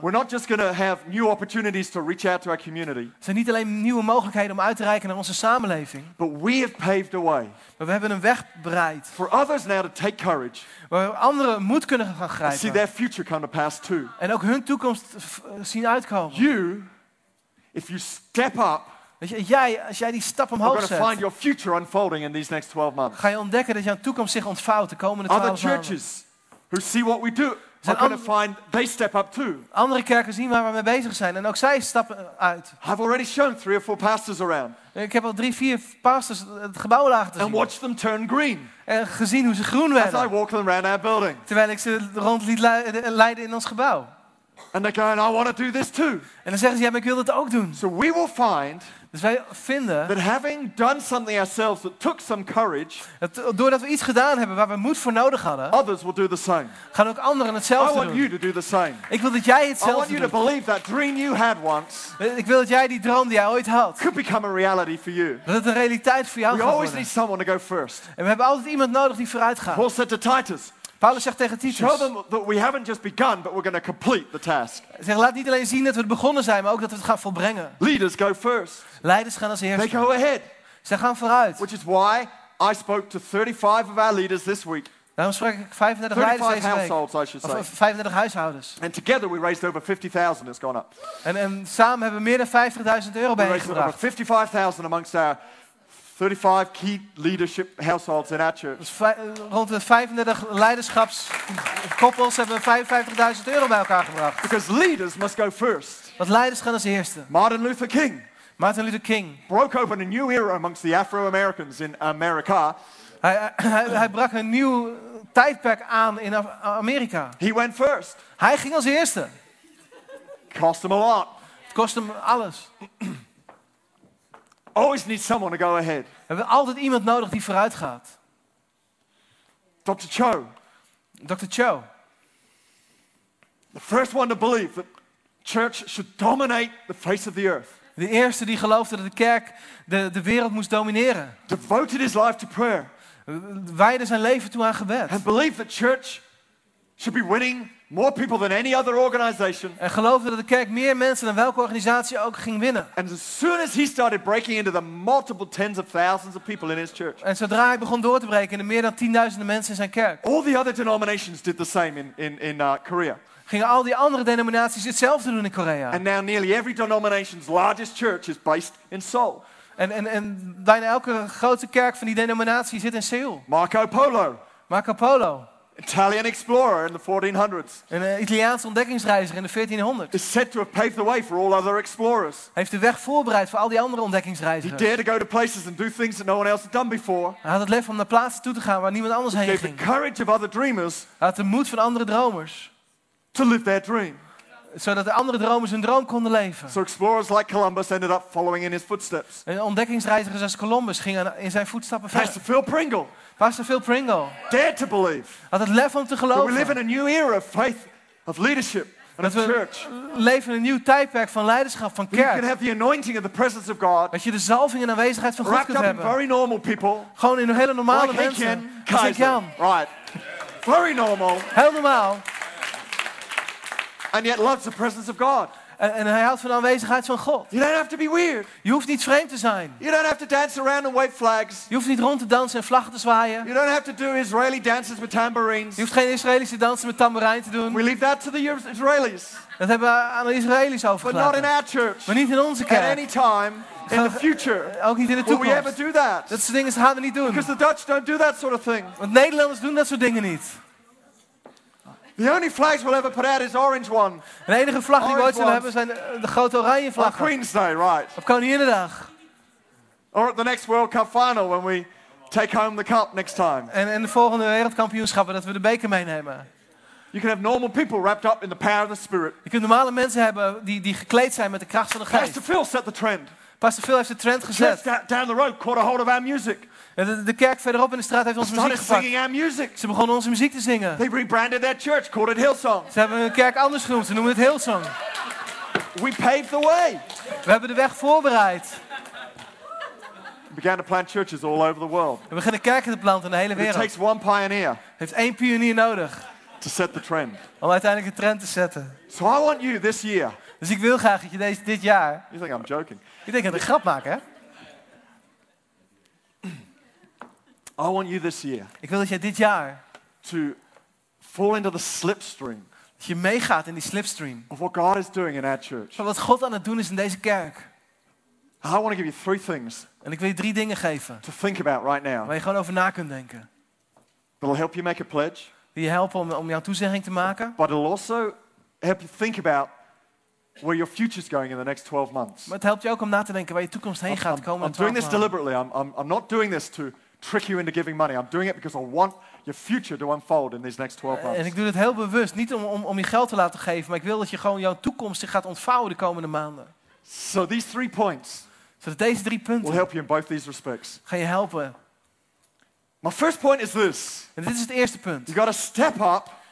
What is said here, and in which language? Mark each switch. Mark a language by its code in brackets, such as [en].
[en] We're not just going to have new opportunities to reach out to our community. [nl] Het zijn niet alleen nieuwe mogelijkheden om uit te reiken naar onze samenleving. [en] But we have paved a way. [nl] Maar we hebben een weg bereid. [en] For others now to take courage. [nl] Waar anderen moed kunnen gaan grijpen. [en] And see their future come to pass too. [nl] En ook hun toekomst zien uitkomen. [en] You, if you step up. [nl] Weet je, jij, als jij die stap omhoog zet, [en] find your future unfolding in these next 12 months. [nl] Ga je ontdekken dat jouw toekomst zich ontvouwt de komende 12 [en] Other churches who see what we do are going to find they step up too. [nl] Andere kerken zien waar we mee bezig zijn en ook zij stappen uit. [en] I've already shown 3 or 4 pastors around. [nl] Ik heb al 3-4 pastors het gebouw laten zien. [en] And watch them turn green. [nl] En gezien hoe ze groen werden. [en] As I walk them around our building. [nl] Terwijl ik ze rond liet leiden in ons gebouw. [en] And they're going, I want to do this too. [nl] En dan zeggen ze, ja, maar ik wil dat ook doen. [en] So we will find. [nl] Dus wij vinden [en] that having done something ourselves that took some courage, [nl] dat doordat we iets gedaan hebben waar we moed voor nodig hadden, [en] others will do the same. [nl] Gaan ook anderen hetzelfde doen. [en] I want you to do the same. [nl] Ik wil dat jij hetzelfde doet. [en] I want you to believe that dream you had once. [nl] Ik wil dat jij die droom die jij ooit had, [en] could become a reality for you. [nl] Dat het een realiteit voor jou [en] we [nl] gaat [en] always [nl] worden. [en] Need someone to go first. [nl] En we hebben altijd iemand nodig die vooruit gaat. [en] Paul said to Titus. [nl] Paulus zegt tegen Titus. [en] Show them that we haven't just begun, but we're going to complete the task. [nl] Zeg, laat niet alleen zien dat we het begonnen zijn, maar ook dat we het gaan volbrengen. [en] Leaders go first. [nl] Leiders gaan als eerste. [en] They go ahead. [nl] Ze gaan vooruit. [en] Which is why I spoke to 35 of our leaders this week. [nl] Daarom sprak ik 35 leiders deze week. [en] 35 households, I should say. [nl] Of 35 huishoudens. [en] And together we raised over 50,000. It's gone up. [nl] En samen hebben we meer dan 50.000 euro bijeengebracht. [en] We raised over 55,000 amongst our 35 key leadership households in our church. [nl] Rond de 35 leiderschapskoppels hebben we 55.000 euro bij elkaar gebracht. [en] Because leaders must go first. [nl] Want leiders gaan als eerste. [en] Martin Luther King. [nl] Martin Luther King. [en] Broke open a new era amongst the Afro-Americans in America. [nl] Hij brak een nieuw tijdperk aan in Amerika. [en] He went first. [nl] Hij ging als eerste. [en] Cost him a lot. [nl] Het kost hem alles. [en] Always need someone to go ahead. [nl] We hebben altijd iemand nodig die vooruit gaat. [en] Dr. Cho. [nl] Dr. Cho. [en] The first one to believe that church should dominate the face of the earth. [nl] De eerste die geloofde dat de kerk de wereld moest domineren. [en] Devoted his life to prayer. [nl] Wijde zijn leven toe aan gebed. [en] And believe that church should be winning more people than any other organization. [nl] En geloofde dat de kerk meer mensen dan welke organisatie ook ging winnen. [en] And as soon as he started breaking into the multiple tens of thousands of people in his church. [nl] En zodra hij begon door te breken in de meer dan 10.000 mensen in zijn kerk. [en] All the other denominations did the same in Korea. [nl] Gingen al die andere denominaties hetzelfde doen in Korea. [en] And now nearly every denomination's largest church is based in Seoul. [nl] En bijna elke grote kerk van die denominatie zit in Seoul. [en] Marco Polo. [nl] Marco Polo. [en] Italian explorer in the 1400s. [nl] Een Italiaanse ontdekkingsreiziger in de 1400s. [en] Is said to have paved the way for all other explorers. [nl] Hij heeft de weg voorbereid voor al die andere ontdekkingsreizigers. [en] He dared to go to places and do things that no one else had done before. [nl] Hij had het lef om naar plaatsen toe te gaan waar niemand anders heen ging. [en] Gave the courage of other dreamers. [nl] Hij had de moed van andere dromers. [en] To live their dream. [nl] Zodat de andere dromers hun droom konden leven. [en] So explorers like Columbus ended up following in his footsteps. [nl] En ontdekkingsreizigers als Columbus gingen in zijn voetstappen verder. Pastor Phil Pringle. Pastor Phil Pringle. [en] Dared to believe. [nl] Had het lef om te geloven. [en] That we live in a new era of faith, of leadership, and [nl] dat [en] of church. [nl] We leven in een nieuw tijdperk van leiderschap, van kerk. [en] You can have the anointing of the presence of God. [nl] Dat je de zalving en aanwezigheid van God kunt hebben. [en] Wrapped up in very normal people. [nl] Gewoon in hele normale [en] like [nl] mensen. [en] Ken Kaiser. [nl] Ken. [en] Right. Very normal. [nl] Heel normaal. [en] And yet loves the presence of God. [nl] En hij houdt van de aanwezigheid van God. [en] You don't have to be weird. [nl] Je hoeft niet vreemd te zijn. [en] You don't have to dance around and wave flags. [nl] Je hoeft niet rond te dansen en vlaggen te zwaaien. [en] You don't have to do Israeli dances with tambourines. [nl] Je hoeft geen Israëlische dansen met tamboerijn te doen. [en] We leave that to the Israelis. [nl] Dat hebben we aan de Israëli's overgelaten. [en] But not in our church. [nl] Maar niet in onze kerk. [en] At any time. In the future, [nl] ook niet in de toekomst. [en] Will we ever do that? [nl] Dat soort dingen gaan we niet doen. [en] Because the Dutch don't do that sort of thing. [nl] Want Nederlanders doen dat soort dingen niet. [en] The only flags we'll ever put out is orange one. [nl] De enige vlag die we ooit zullen hebben zijn de grote oranje vlag. [en] On Queen's Day, right? [nl] Op Koninginnedag. [en] Or at the next World Cup final when we take home the cup next time. [nl] En de volgende wereldkampioenschappen dat we de beker meenemen. [en] You can have normal people wrapped up in the power of the Spirit. [nl] Je kunt normale mensen hebben die gekleed zijn met de kracht van de Geest. [en] Pastor Phil set the trend. [nl] Pastor Phil heeft de trend gezet. [en] Just down the road, caught a hold of our music. [nl] De kerk verderop in de straat heeft onze muziek gepakt. Ze begonnen onze muziek te zingen. [en] They rebranded their church, called it Hillsong. [nl] Ze hebben hun kerk anders genoemd. Ze noemen het Hillsong. [en] We paved the way. [nl] We hebben de weg voorbereid. [en] We began to plant churches all over the world. [nl] We beginnen kerken te planten in de hele wereld. [en] It takes one pioneer. [nl] Heeft één pionier nodig. [en] To set the trend. [nl] Om uiteindelijk een trend te zetten. [en] So I want you this year. [nl] Dus ik wil graag dat je deze dit jaar. [en] You think I'm joking? [nl] Ik denk dat ik een grap maak, hè? [en] I want you this year. [nl] Ik wil dat jij dit jaar. [en] To fall into the slipstream. [nl] Dat je meegaat in die slipstream. [en] Of what God is doing in our church. [nl] Van wat God aan het doen is in deze kerk. [en] I want to give you three things. [nl] En ik wil je drie dingen geven. [en] To think about right now. [nl] Waar je gewoon over na kunt denken. [en] That will help you make a pledge. [nl] Die je helpen om jouw toezegging te maken. [en] But it'll also help you think about where your future is going in the next 12 months. [nl] Maar het helpt je ook om na te denken waar je toekomst heen gaat komen. [en] I'm doing this deliberately. I'm not doing this to trick you into giving money. I'm doing it because I want your future to unfold in these next 12 months. [nl] En ik doe het heel bewust, niet om je geld te laten geven, maar ik wil dat je gewoon jouw toekomst zich gaat ontvouwen de komende maanden. [en] So these three points. [nl] So deze drie punten. [en] Will help you in both these respects. [nl] Ga je helpen. [en] My first point is this. [nl] En dit is het eerste punt. [en] You got to step up.